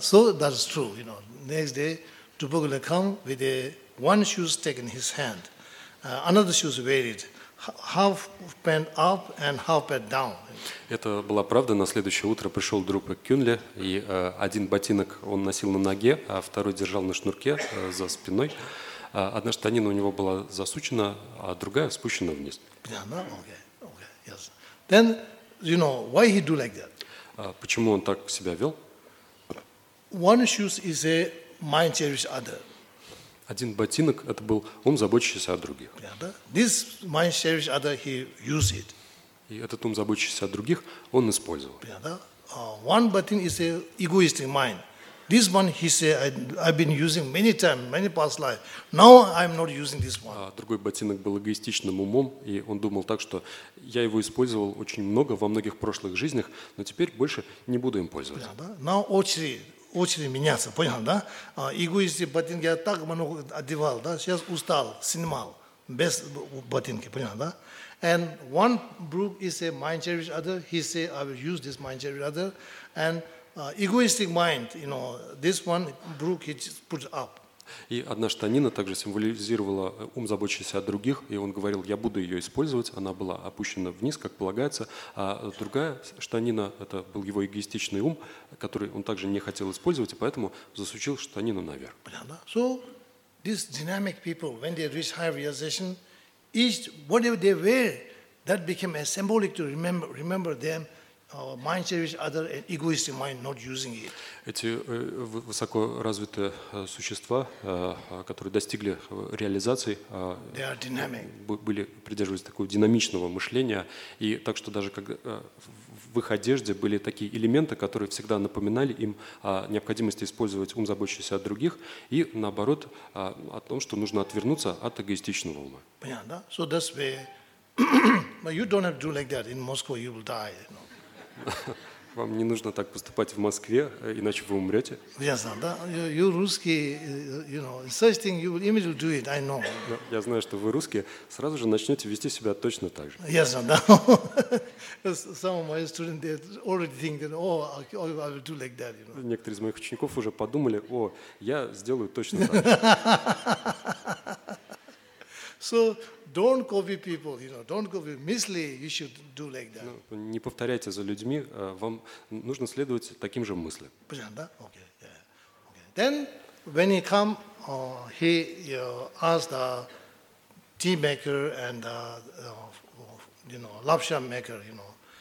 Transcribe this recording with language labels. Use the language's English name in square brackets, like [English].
[English] So that's true, you know. Next day, Drupakulne come with one shoes taken in his hand, another shoes wearied, half pant up and half pant down. [Russian] Это была правда. На следующее утро пришел Друкпа-Кюнле, и один ботинок он носил на ноге, а второй держал на шнурке за спиной. Одна штанина у него была засучена, а другая спущена вниз. [English] Okay, yes. Then, you know why he do like that? [Russian] Почему он так себя вел? [English] One shoes is a mind cherish other. [Russian] Один ботинок это был ум, заботящийся о других. [English] This mind cherish other he use it. [Russian] И этот ум, заботящийся о других, он использовал. [English] One [Russian] ботинок [English] is a egoistic mind. This one he say I've been using many times, many past life. Now I'm not using this one. [Russian] Другой ботинок был эгоистичным умом, и он думал так, что я его использовал очень много во многих прошлых жизнях, но теперь больше не буду им пользоваться. Понятно, да? [English] Now [Russian] очередь меняться, понял, да? Эгоистичный ботинок я так много одевал, да? Сейчас устал, снимал без ботинки, понял, да? [English] And one brook is a mind cherish other. He say I will use this mind cherish other, and egoistic mind, you know, this one Brook he just put up. [Russian] И одна штанина также символизировала ум, заботящийся о других, и он говорил, я буду ее использовать. Она была опущена вниз, как полагается. А другая штанина это был его эгоистичный ум, который он также не хотел использовать, и поэтому засучил штанину наверх. [English] So these dynamic people, when they reach higher realization, each whatever they wear, that became a symbolic to remember them. Mind cherish other egoistic mind not using it. [Russian] Эти высоко развитые существа, которые достигли реализации, [English] they are dynamic. [Russian] Были придерживались такого динамичного мышления, и так что даже как в их одежде были такие элементы, которые всегда напоминали им о необходимости использовать ум, заботящийся о других, и наоборот о том, что нужно отвернуться от эгоистичного ума. Понятно, да? [English] So that's where, but you don't have to do like that in Moscow. You will die. You know? [Russian] Вам не нужно так поступать в Москве, иначе вы умрете. Я знаю, да? [English] You [Russian] русские, [English] you know, such thing you will immediately do it, I know. [Russian] Я знаю, что вы русские, сразу же начнете вести себя точно так же. Я знаю, да? [English] Some of my students already think that, oh, I will do like that, you know. [Russian] Некоторые из моих учеников уже подумали, о, я сделаю точно так же. [English] So, don't copy people, you know. Don't copy. [Russian] Мысли, [English] you should do like that. [Russian] Не повторяйте за людьми. Вам нужно следовать таким же мыслям. Понятно, да? [English] Okay, yeah. Okay. Then, when he come, he asked the tea maker and the you know, lapsang maker, you know,